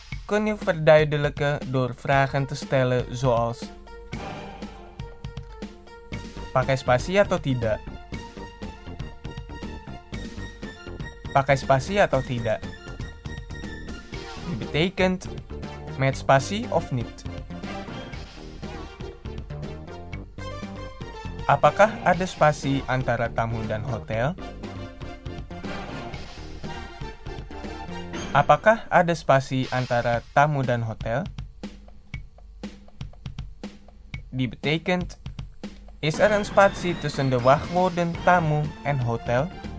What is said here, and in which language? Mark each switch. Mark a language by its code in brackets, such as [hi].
[nl] kun je verduidelijken door vragen te stellen zoals: [id] pakai spasi atau tidak? Pakai spasi atau tidak? [nl] Dit betekent met spasi of niet. [id] Apakah ada spasi antara tamu dan hotel? Apakah ada spasi antara tamu dan hotel? [nl] Dit betekent, is er een spatie tussen de wachtwoorden tamu en hotel?